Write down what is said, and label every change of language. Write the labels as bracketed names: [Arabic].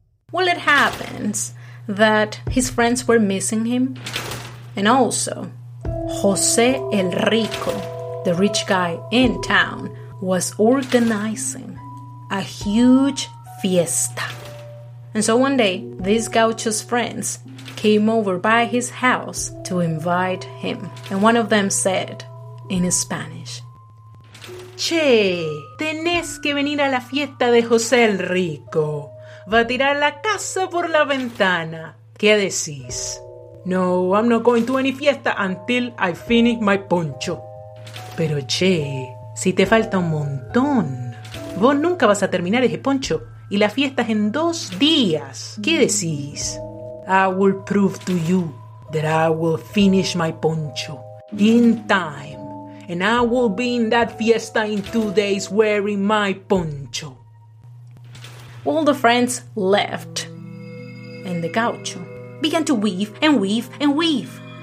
[English] Well, it happens that his friends were missing him, and also José el Rico, the rich guy in town, was organizing a huge fiesta. And so one day, these gaucho's friends came over by his house to invite him. And one of them said, in Spanish, [Spanish] Che, tenés que venir a la fiesta de José el Rico. Va a tirar la casa por la ventana. ¿Qué decís? [English] No, I'm not going to any fiesta until I finish my poncho. [Spanish] Pero che, si te falta un montón, vos nunca vas a terminar ese poncho y la fiesta es en 2 días. ¿Qué decís? [English] I will prove to you that I will finish my poncho in time, and I will be in that fiesta in 2 days wearing my poncho. All the friends left, and the gaucho began to weave and weave and weave.